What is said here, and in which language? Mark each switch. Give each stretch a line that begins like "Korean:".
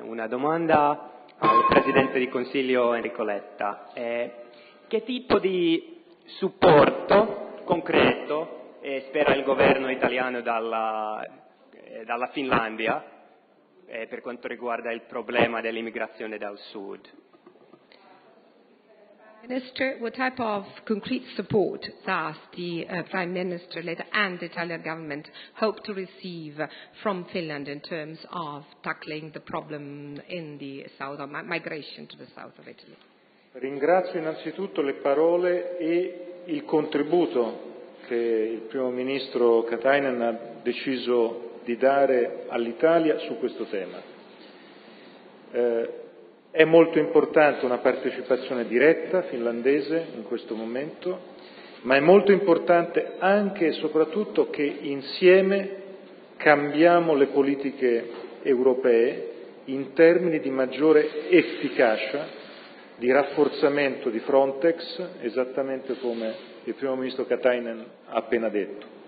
Italian: Una domanda al Presidente di Consiglio Enrico Letta. Che tipo di supporto concreto spera il governo italiano dalla Finlandia per quanto riguarda il problema dell'immigrazione dal sud?
English: Minister, what type of concrete support does the Prime Minister Letta and the Italian government hope to receive from Finland in terms of tackling the problem in the south of migration to the south of Italy?
Italian: Ringrazio innanzitutto le parole e il contributo che che il primo ministro Katainen ha deciso di dare all'Italia su questo tema. È molto importante una partecipazione diretta finlandese in questo momento, ma è molto importante anche e soprattutto che insieme cambiamo le politiche europee in termini di maggiore efficacia, di rafforzamento di Frontex, esattamente come il primo ministro Katainen ha appena detto.